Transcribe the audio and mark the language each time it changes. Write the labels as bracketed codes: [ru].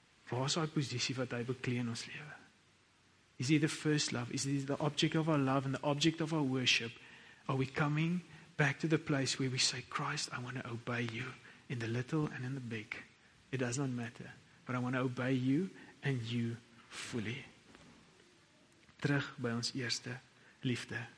[af] Waar is die posisie wat hy beklee in ons lewe? [en] Is he the first love? Is he the object of our love and the object of our worship? Are we coming back to the place where we say, Christ, I want to obey you in the little and in the big. It does not matter. But I want to obey you and you fully. [af] Terug by ons eerste liefde.